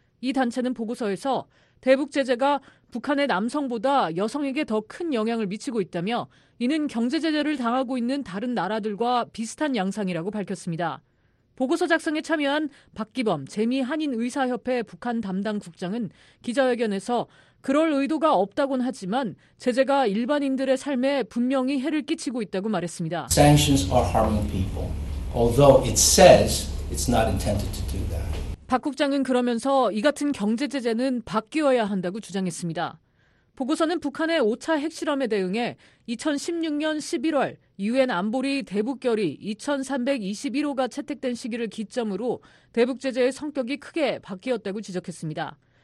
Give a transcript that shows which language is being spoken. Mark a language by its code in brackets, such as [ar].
[ko] 이 단체는 보고서에서 대북 제재가 북한의 남성보다 여성에게 더 큰 영향을 미치고 있다며 이는 경제 제재를 당하고 있는 다른 나라들과 비슷한 양상이라고 밝혔습니다. 보고서 작성에 참여한 박기범 재미한인의사협회 북한 담당 국장은 기자회견에서 그럴 의도가 없다고는 하지만 제재가 일반인들의 삶에 분명히 해를 끼치고 있다고 말했습니다. [en] Sanctions are harming people, although it says it's not intended to do that. [ko] 박 국장은 그러면서 이 같은 경제 제재는 바뀌어야 한다고 주장했습니다. 보고서는 북한의 5차 핵실험에 대응해 2016년 11월 유엔 안보리 대북결의 2321호가 채택된 시기를 기점으로 대북제재의 성격이 크게 바뀌었다고 지적했습니다.